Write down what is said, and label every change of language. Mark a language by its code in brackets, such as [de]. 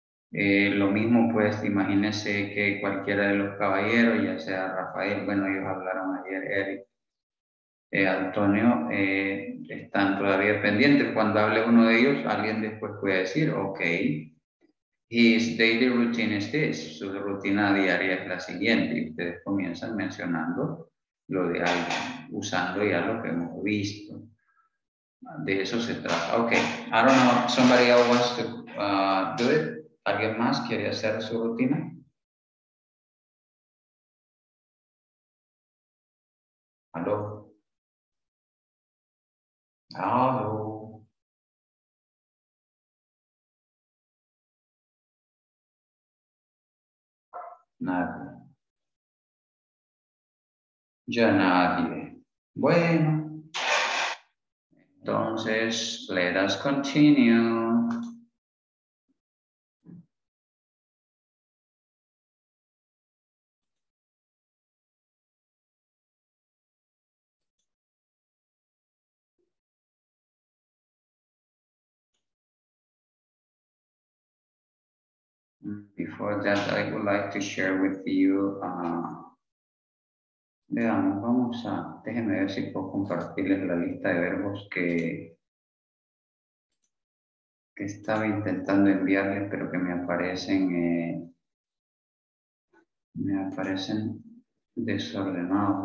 [es] Lo mismo, pues, imagínense que cualquiera de los caballeros, ya sea Rafael, bueno, ellos hablaron ayer, Eric, Antonio, están todavía pendientes. Cuando hable uno de ellos, alguien después puede decir, ok, [en] his daily routine is this, [es] su rutina diaria es la siguiente, y ustedes comienzan mencionando lo de alguien, usando ya lo que hemos visto. De eso se trata. [en] Ok, I don't know, somebody else wants to do it. [es] ¿Alguien más quiere hacer su rutina? ¿Aló? ¿Aló? Nadie. Ya nadie. Bueno. Entonces, [en] let us continue. Before that, I would like to share with you. [es] Veamos, vamos a. Déjenme ver si puedo compartirles la lista de verbos que estaba intentando enviarles, pero que me aparecen desordenados.